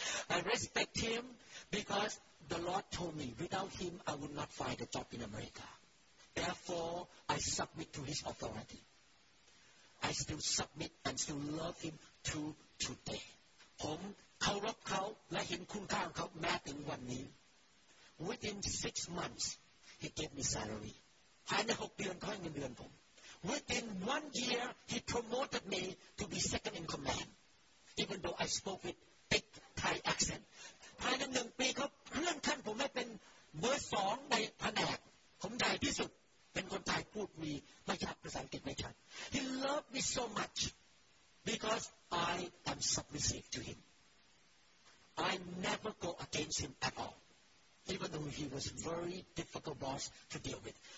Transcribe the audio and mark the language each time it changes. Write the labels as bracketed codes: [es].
[en] I respect him because the Lord told me, without him, I would not find a job in America. Therefore, I submit to his authority. I still submit and still love him to today. [th] ผมเคารพเขาและเห็นคุณค่าของเขาแม้ถึงวันนี้ [en] Within 6 months, he gave me salary. [th] ภายใน 6 เดือนเขาให้เงินเดือนผม [en] Within 1 year, he promoted me to be second in command. Even though I spoke with thick Thai accent. [th] ภายใน 1 ปีเขาเลื่อนขั้นผมให้เป็นเบอร์ 2 ในแผนกผมใหญ่ที่สุดเป็นคนไทยพูดมีไม่ชัดภาษาอังกฤษไม่ชัด [en] He loved me so much because I am submissive to him. I never go against him at all, even though he was very difficult boss to deal with.